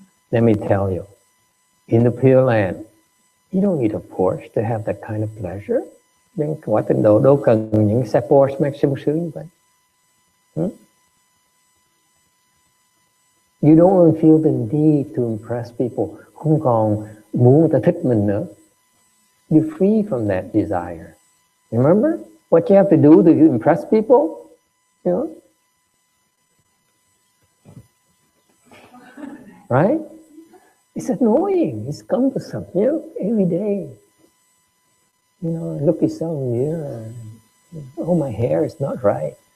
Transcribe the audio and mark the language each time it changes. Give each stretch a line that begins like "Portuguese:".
English: Let me tell you, in the Pure Land, you don't need a Porsche to have that kind of pleasure.
Vietnamese: Bên quả tịnh độ đâu cần những xe Porsche mang sung sướng như vậy.
English: You don't even feel the need to impress people.
Vietnamese: Không còn muốn người ta thích mình nữa.
English: You're free from that desire. Remember? What you have to do to impress people? You know? Right? It's annoying. It's cumbersome. You know? Every day. You know, look yourself in the mirror. Oh, my hair is not right.